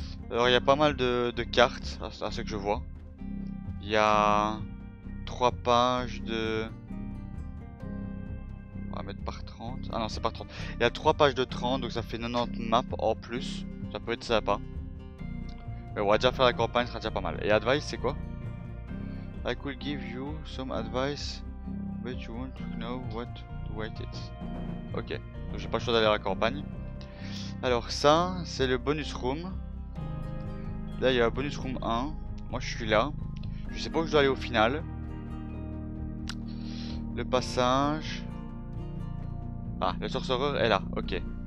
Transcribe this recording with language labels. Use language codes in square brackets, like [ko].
[fr] Alors il y a pas mal de cartes à ce que je vois. Il y a 3 pages de. On va mettre par 30. Ah non, c'est par 30. Il y a 3 pages de 30, donc ça fait 90 maps en plus. Ça peut être sympa. Mais on va déjà faire la campagne, ce sera déjà pas mal. Et advice, c'est quoi? [en] I could give you some advice, but you won't know what to write it. [fr] Ok, donc j'ai pas le choix d'aller à la campagne. Alors ça, c'est le bonus room. Là, il y a bonus room 1. Moi, je suis là. Je sais pas où je dois aller au final. Le passage. Ah, le sorcereur est là. Ok.